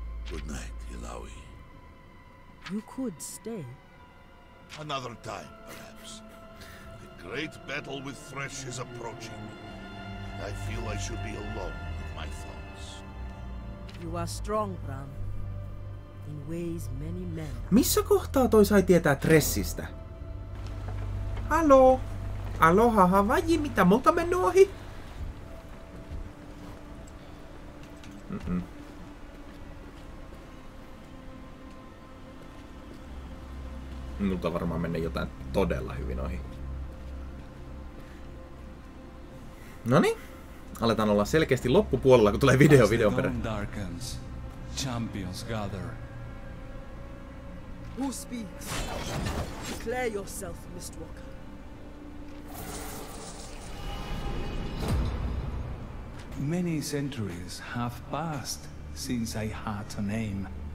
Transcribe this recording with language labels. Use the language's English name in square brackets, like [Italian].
[English] Good night, Illaoi. You could stay. Another time, perhaps. The great battle with Thresh is approaching. I feel I should be alone with my thoughts. You are strong, Bram. In ways many men... [Finnish] Missä kohtaa toi sai tietää Tressistä? Halo? Aloha Hawaii, mitä multa mennyt ohi? Minulta varmaan mennä jotain todella hyvin ohi. Noniin. Aletaan olla selkeästi loppupuolella, kun tulee video videon perään. [English] Darkens, champions gather. Who speaks? Declare yourself, Mistwalker. Many centuries have passed since I had a name.